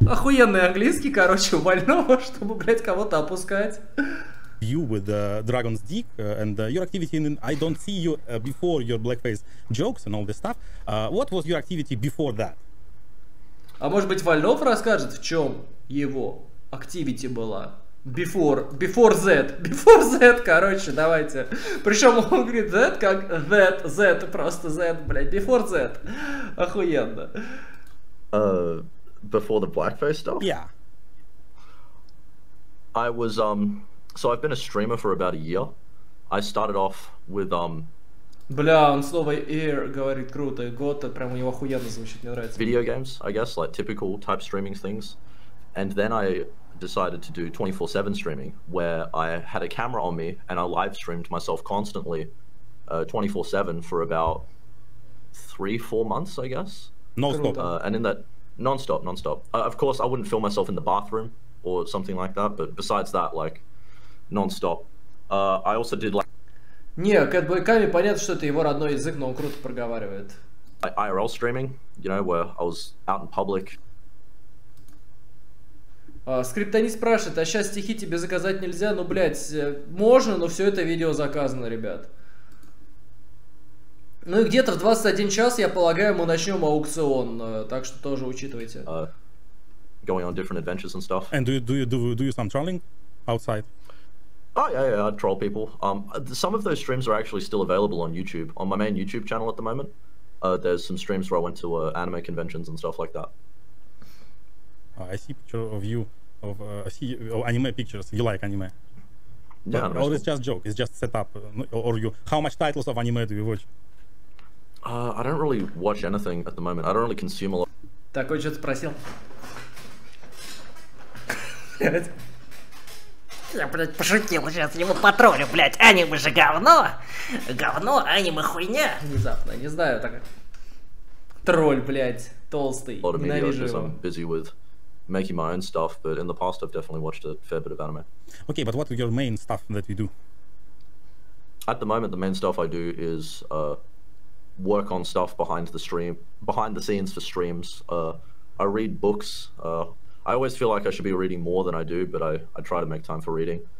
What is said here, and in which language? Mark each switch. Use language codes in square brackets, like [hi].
[ru] Охуенный английский, короче, у Вольного, чтобы, блядь, кого-то опускать. [en] You with the dragon's dick and your activity in I don't see you before your blackface jokes and all this stuff. What was your activity before that? [ru] А может быть Вольнов расскажет, в чем его activity была? [en] Before that, [ru] короче, давайте. Причем он говорит that как that, z, просто z, блядь, [en] before that. [ru] Охуенно. [en] Before the blackface stuff? Yeah. I was, So I've been a streamer for about a year. I started off with [ru] Бля, он слово ear говорит круто. Год, прям у него охуенно звучит, мне нравится. [en] Video games, I guess, like typical type streaming things. And then I decided to do 24/7 streaming, where I had a camera on me and I live streamed myself constantly 24/7 for about 3-4 months, I guess. Non-stop. And in that non-stop. Of course, I wouldn't film myself in the bathroom or something like that, but besides that, like non-stop. I also did like... [ru] Не, Кэтбой Ками, понятно, что это его родной язык, но он круто проговаривает. [en] IRL streaming, you know, where I was out in public. [ru] Скриптонит спрашивает, а сейчас стихи тебе заказать нельзя? Ну, блять, можно, но все это видео заказано, ребят. Ну и где-то в 21 час, я полагаю, мы начнем аукцион, так что тоже учитывайте. [en] Going on different adventures and stuff. And do you some trolling outside? Oh yeah, I troll people. Some of those streams are actually still available on YouTube, on my main YouTube channel at the moment. There's some streams where I went to anime conventions and stuff like that. I see picture of you, of anime pictures. You like anime? Yeah. Or it's just joke. It's just setup. Or you? How much titles of anime do you watch? I don't really watch anything at the moment. I don't really consume a lot. [ru] Так, он что-то спросил. блядь. Я, блядь, пошутил сейчас, его потроллю, блядь. Аниме же говно. Говно, аниме хуйня. Внезапно, не знаю, так... Тролль, блядь, толстый, ненавижу его. [en] Making my own stuff, but in the past I've definitely watched a fair bit of anime. Okay, but what is your main stuff that you do? At the moment, the main stuff I do is work on stuff behind the stream, behind the scenes for streams. I read books. I always feel like I should be reading more than I do, but I try to make time for reading.